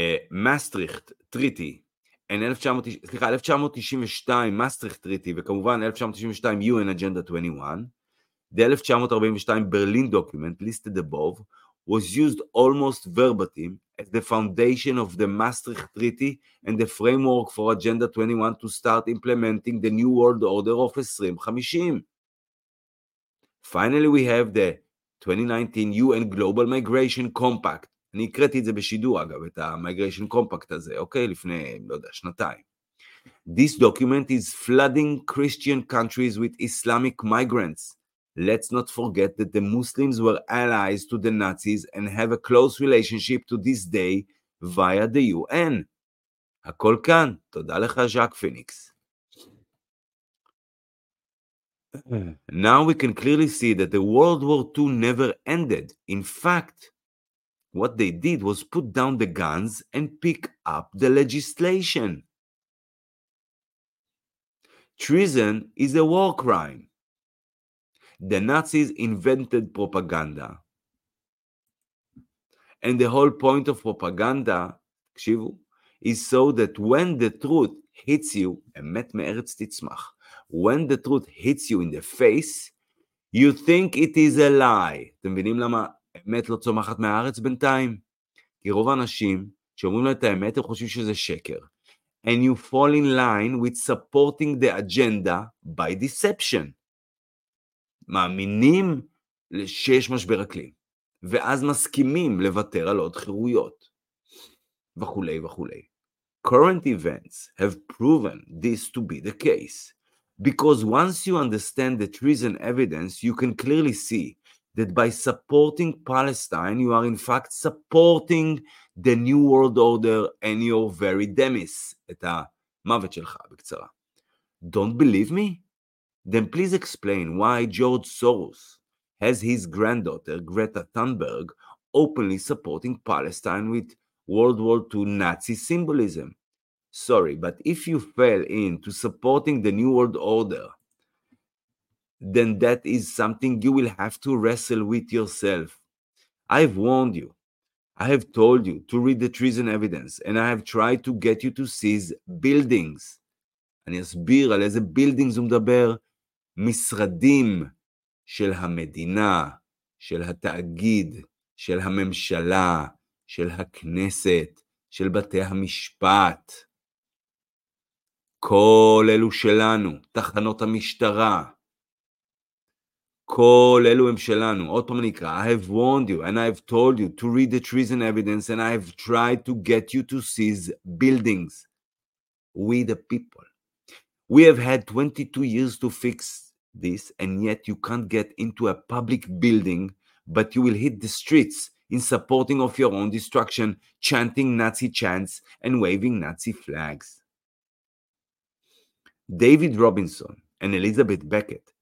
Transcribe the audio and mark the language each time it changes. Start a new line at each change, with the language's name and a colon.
Hebrew: מאסטריכט טריטי, סליחה, 1992 מאסטריכט טריטי, וכמובן
English: 1992 UN Agenda 21, the 1942 Berlin document listed above was used almost verbatim as the foundation of the Maastricht Treaty and the framework for Agenda 21 to start implementing the New World Order of 2050. Finally, we have the 2019 UN Global Migration Compact.
Hebrew: אני הקראתי את זה בשידור, אגב, את המיגריישן קומפקט הזה, אוקיי? לפני, לא יודע, שנתיים.
English: This document is flooding Christian countries with Islamic migrants. Let's not forget that the Muslims were allies to the Nazis and have a close relationship to this day via the UN.
Hebrew: הכל כאן. תודה לך, ז'אק פיניקס.
English: Now we can clearly see that the World War II never ended. In fact, what they did was put down the guns and pick up the legislation. Treason is a war crime. The Nazis invented propaganda. And the whole point of propaganda,
Hebrew: תקשיבו,
English: is so that when the truth hits you,
Hebrew: אמת מארץ תצמח,
English: when the truth hits you in the face, you think it is a lie.
Hebrew: אתם מבינים למה? אמת לא צומחת מהארץ בינתיים. כי רוב האנשים שאומרים לו את האמת, הם חושבים שזה שקר.
English: And you fall in line with supporting the agenda by deception.
Hebrew: מאמינים שיש משבר אקלים. ואז מסכימים לוותר על עוד חירויות. וכולי וכולי.
English: Current events have proven this to be the case. Because once you understand the treason evidence, you can clearly see that by supporting Palestine, you are in fact supporting the New World Order and your very demise,
Hebrew: את המוות שלך בקצרה.
English: Don't believe me? Then please explain why George Soros has his granddaughter Greta Thunberg openly supporting Palestine with World War II Nazi symbolism. Sorry, but if you fell into supporting the New World Order, then that is something you will have to wrestle with yourself. I've warned you. I have told you to read the treason evidence, and I have tried to get you to seize buildings.
Hebrew: אני אסביר על איזה buildings הוא מדבר. משרדים של המדינה, של התאגיד, של הממשלה, של הכנסת, של בתי המשפט. כל אלו שלנו, תחנות המשטרה. כל אלו הם שלנו. עוד פעם נקרא,
English: I have warned you and I have told you to read the treason evidence and I have tried to get you to seize buildings. We the people. We have had 22 years to fix this and yet you can't get into a public building but you will hit the streets in supporting of your own destruction, chanting Nazi chants and waving Nazi flags. David Robinson and Elizabeth Beckett